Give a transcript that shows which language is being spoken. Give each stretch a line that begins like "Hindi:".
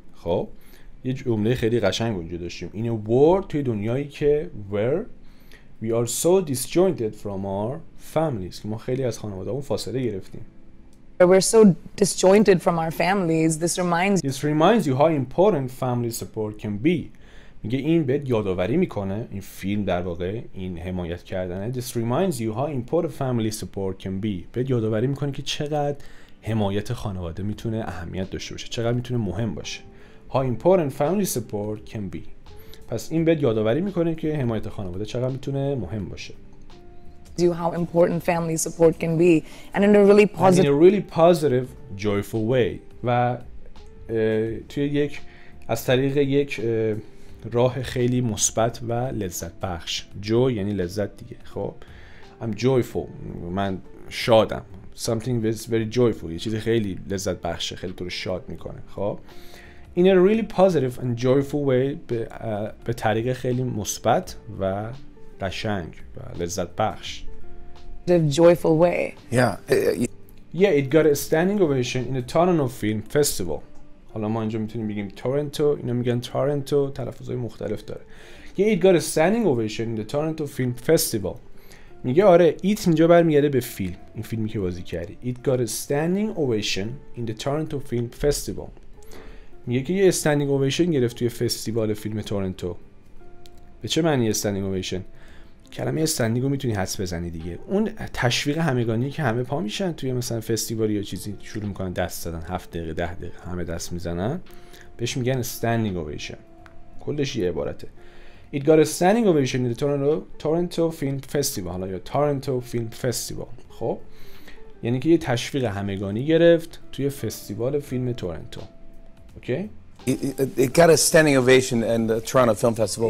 Persian: خب یه جمله خیلی قشنگ اونجا داشتیم
English: in a world
Persian: توی دنیایی که
English: where we are so disjointed from our families،
Persian: ما خیلی از خانوادمون فاصله گرفتیم.
English: We're so disjointed from our families. This reminds you how important family support can be.
Persian: میگه این بهت یادآوری میکنه، این فیلم در واقع این حمایت کردنه.
English: This reminds you how important family support can be.
Persian: بهت یادآوری میکنه که چقدر حمایت خانواده میتونه اهمیت داشته باشه، چقدر میتونه مهم باشه.
English: How important family support can be.
Persian: پس این بهت یادآوری میکنه که حمایت خانواده چقدر میتونه مهم باشه.
English: Do how important family support can be, and in a really positive, and in a really positive, joyful way.
Persian: و توی یک از طریق یک راه خیلی مثبت و لذت بخش. Joy یعنی لذت دیگه. خب
English: I'm joyful.
Persian: من شادم.
English: Something is very joyful.
Persian: یه چیزی خیلی لذت بخشه، خیلی تو رو شاد میکنه. خب
English: in a really positive and joyful way
Persian: به طریق خیلی مثبت و قشنگ و لذت بخش.
English: The joyful way. Yeah, it got a standing ovation in the Toronto Film Festival.
Persian: حالا ما اینجا میتونیم بگیم تورنتو، اینا میگن تورنتو، تلفظ‌های مختلف داره.
English: Yeah, it got a standing ovation in the Toronto Film Festival.
Persian: میگه آره، it اینجا برمیگرده به فیلم، این فیلمی که بازی کردی.
English: It got a standing ovation in the Toronto Film Festival.
Persian: میگه که یه standing ovation گرفت توی فستیوال فیلم تورنتو. به چه معنی استندینگ اوویشن؟ کلمه استندینگ رو میتونی حدس بزنی دیگه. اون تشویق همگانی که همه پا میشن توی مثلا فستیوال یا چیزی، شروع میکنن دست زدن، 7 دقیقه 10 دقیقه همه دست میزنن، بهش میگن استندینگ اوویشن. کلش یه عبارته.
English: It got a standing ovation in the Toronto Film Festival.
Persian: حالا یا Toronto Film Festival. خب یعنی که یه تشویق همگانی گرفت توی فستیوال فیلم تورنتو. اوکی؟
English: It got a standing ovation in the Toronto Film Festival.